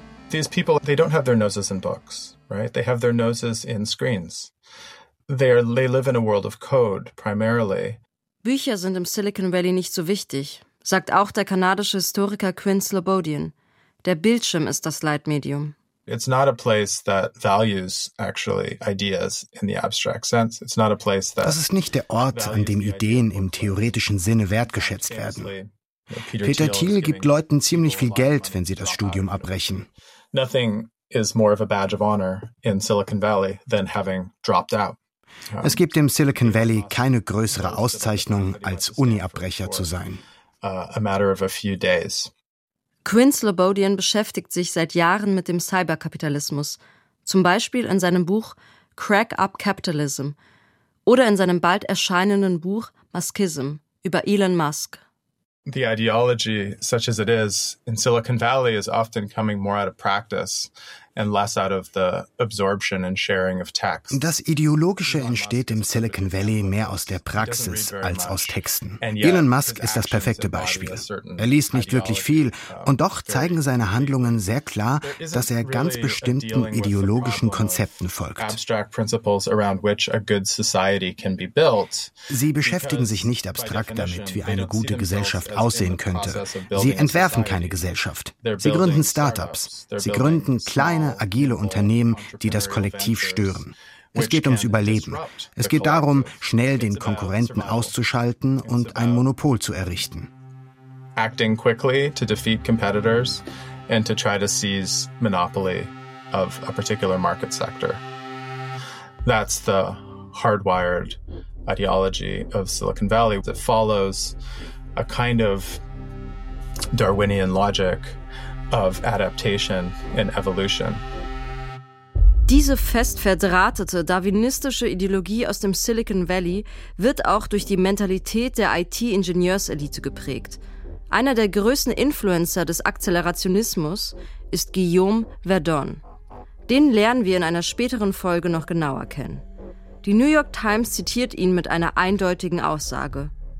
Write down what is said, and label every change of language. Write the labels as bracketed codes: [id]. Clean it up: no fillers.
[en] These people, they don't have their noses in books, right? They have their noses in screens. They live in a world of code, primarily. [de] Bücher sind im Silicon Valley nicht so wichtig, sagt auch der kanadische Historiker Quinn Slobodian. Der Bildschirm ist das Leitmedium. [en] It's not a place that values actually ideas in the abstract sense. It's not a place that. [de] Das ist nicht der Ort, an dem Ideen im theoretischen Sinne wertgeschätzt werden. Peter Thiel gibt Leuten ziemlich viel Geld, wenn sie das Studium abbrechen. [en] Nothing is more of a badge of honor in Silicon Valley than having dropped out. [de] Es gibt im Silicon Valley keine größere Auszeichnung, als Uniabbrecher zu sein. [en] A matter of a few days. [de] Quinn Slobodian beschäftigt sich seit Jahren mit dem Cyberkapitalismus, zum Beispiel in seinem Buch Crack Up Capitalism oder in seinem bald erscheinenden Buch Maskism über Elon Musk. [en] The ideology, such as it is, in Silicon Valley is often coming more out of practice and less out of the absorption and sharing of text. [de] Das Ideologische entsteht im Silicon Valley mehr aus der Praxis als aus Texten. Elon Musk ist das perfekte Beispiel. Er liest nicht wirklich viel, und doch zeigen seine Handlungen sehr klar, dass er ganz bestimmten ideologischen Konzepten folgt. [en] Abstract principles around which a good society can be built. [de] Sie beschäftigen sich nicht abstrakt damit, wie eine gute Gesellschaft aussehen könnte. Sie entwerfen keine Gesellschaft. Sie gründen Startups. Sie gründen kleine, agile Unternehmen, die das Kollektiv stören. Es geht ums Überleben. Es geht darum, schnell den Konkurrenten auszuschalten und ein Monopol zu errichten. [en] Acting quickly to defeat competitors and to try to seize monopoly of a particular market sector. That's the hardwired ideology of Silicon Valley that follows a kind of Darwinian logic of adaptation and evolution. [de] Diese fest verdrahtete darwinistische Ideologie aus dem Silicon Valley wird auch durch die Mentalität der IT-Ingenieurselite geprägt. Einer der größten Influencer des Akzelerationismus ist Guillaume Verdon. Den lernen wir in einer späteren Folge noch genauer kennen. Die New York Times zitiert ihn mit einer eindeutigen Aussage.